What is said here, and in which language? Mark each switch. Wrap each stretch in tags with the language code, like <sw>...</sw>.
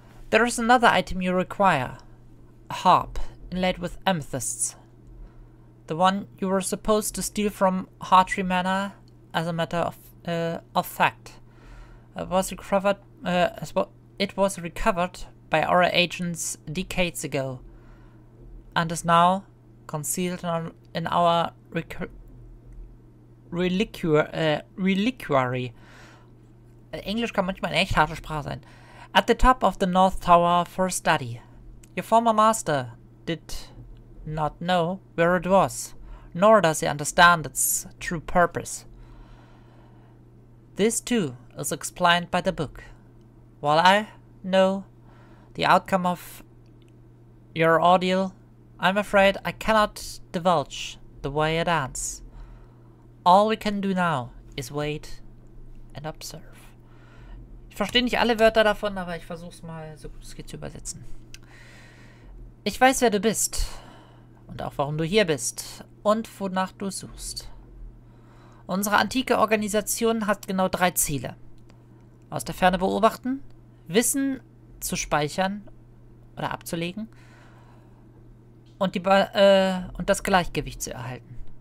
<en>There is another item you require, a harp inlaid with amethysts, the one you were supposed to steal from Hartree Manor as a matter of fact. It was recovered by our agents decades ago and is now concealed in our reliquary.</en> <de>English kann manchmal eine echt harte Sprache sein.</de> <en>At the top of the North Tower for study. Your former master did not know where it was, nor does he understand its true purpose. This too is explained by the book. While I know the outcome of your ordeal, I'm afraid I cannot divulge the way it ends. All we can do now is wait and observe.</en> <de>Ich verstehe nicht alle Wörter davon, aber ich versuch's mal so gut es geht zu übersetzen. Ich weiß, wer du bist und auch warum du hier bist und wonach du suchst. Unsere antike Organisation hat genau drei Ziele. Aus der Ferne beobachten, Wissen zu speichern oder abzulegen und das Gleichgewicht zu erhalten.</de>